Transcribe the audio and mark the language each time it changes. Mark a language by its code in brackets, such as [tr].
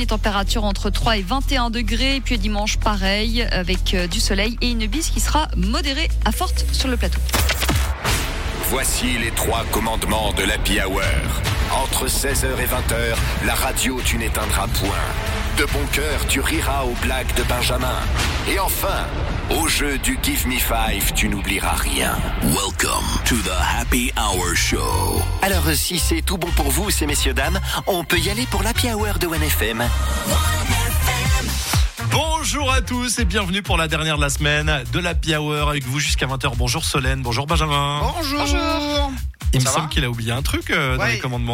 [fr] Les températures entre 3 et 21 degrés. Et puis dimanche, pareil, avec du soleil et une bise qui sera modérée à forte sur le plateau. Voici les trois commandements de l'Happy Hour. Entre 16h et 20h, la radio, tu n'éteindras point. De bon cœur, tu riras aux blagues de Benjamin. Et enfin, au jeu du Give Me Five, tu n'oublieras rien. [en] Welcome to the Happy Hour Show. [fr] Alors, si c'est tout bon pour vous, ces messieurs, dames, on peut y aller pour l'Happy Hour de OneFM. Bonjour à tous et bienvenue pour la dernière de la semaine de l'Happy Hour avec vous jusqu'à 20h. Bonjour Solène, bonjour Benjamin. Bonjour. Bonjour. Il me semble qu'il a oublié un truc dans les commandements.